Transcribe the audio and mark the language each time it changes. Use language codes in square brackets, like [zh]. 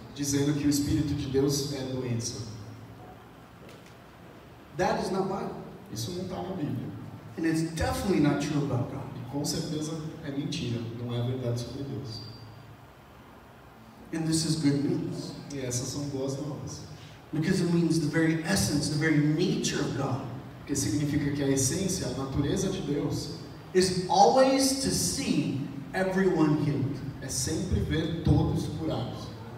[pt] Dizendo que o Espírito de Deus é doença. [en] That is not Bible. [pt] Isso não está na Bíblia. [en] And it's definitely not true about God. [pt] E com certeza é mentira, não é verdade sobre Deus. [en] And this is good news. [pt] E essas são boas novas. [en] Because it means the very essence, the very nature of God. [pt] Porque significa que a essência, a natureza de Deus, [en] is always to see everyone healed. [pt] É sempre ver todos curados.